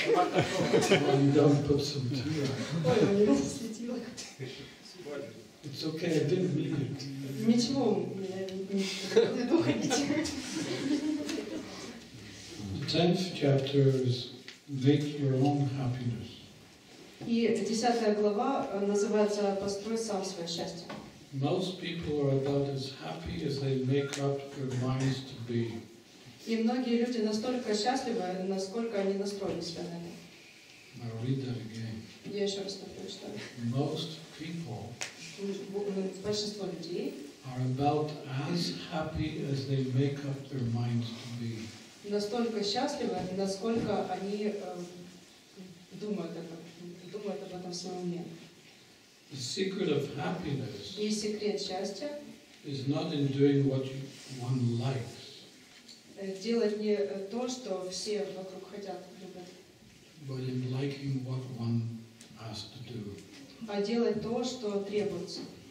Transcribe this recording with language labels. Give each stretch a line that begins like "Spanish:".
English: You don't put some tilak.
Russian: Ой, у него есть тилок.
English: It's okay, I didn't mean it.
Russian: Ничего, не думайте.
English: The 10th chapter is Make Your Own Happiness.
Russian: И 10 глава называется Построй сам свое счастье.
English: Most people are about as happy as they make up their minds to be.
Russian: И многие люди настолько счастливы, насколько они настроены себя на это.
English: I'll read that again.
Russian: Я еще раз прочитаю.
English: Most people
Russian: большинство людей
English: are about as happy as they make up their minds to be.
Russian: Настолько счастливы, насколько они думают об этом своем уме.
English: The secret of happiness
Russian: и секрет счастья
English: is not in doing what one likes.
Russian: Делать не то, что все вокруг хотят, любят.
English: But in liking what one has to do.
Russian: А делать то, что требуется.